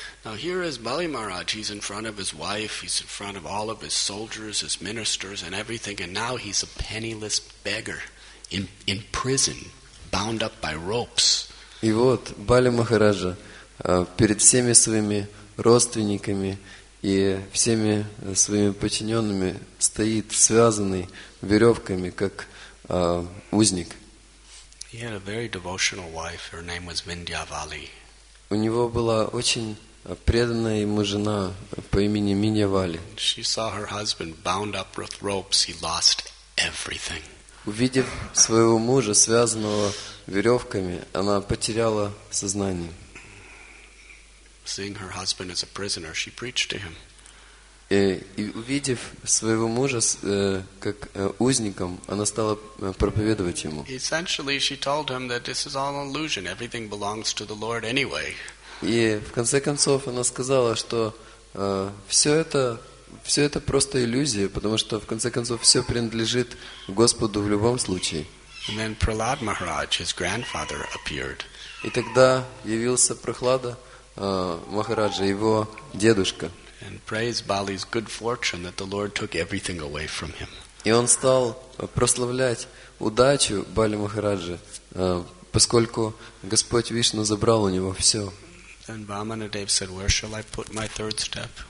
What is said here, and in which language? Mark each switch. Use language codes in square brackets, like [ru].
[en] Now here is Bali Maharaj, he's in front of his wife, he's in front of all of his soldiers, his ministers and everything, and now he's a penniless beggar in prison, bound up by ropes. [ru] И вот Бали Махараджа перед всеми своими родственниками и всеми своими подчиненными стоит связанный веревками, как узник. [en] He had a very devotional wife. Her name was Vindhyavali. [ru] У него была очень преданная ему жена по имени Миньявали. [en] She saw her husband bound up with ropes. He lost everything. [ru] Увидев своего мужа, связанного веревками, она потеряла сознание. [en] Seeing her husband as a prisoner, she preached to him. [ru] И увидев своего мужа как узником, она стала проповедовать ему. [en] Essentially, she told him that this is all an illusion. Everything belongs to the Lord anyway. [ru] И в конце концов она сказала, что все это просто иллюзия, потому что в конце концов все принадлежит Господу в любом случае. [en] And then Prahlad Maharaj, his grandfather, appeared. [ru] И тогда явился Прахлада Махараджа, его дедушка. [en] And praised Bali's good fortune that the Lord took everything away from him. [ru] И он стал прославлять удачу Бали Махараджи, поскольку Господь Вишну забрал у него все. [en] And Vamanadeva said, "Where shall I put my 3rd step?"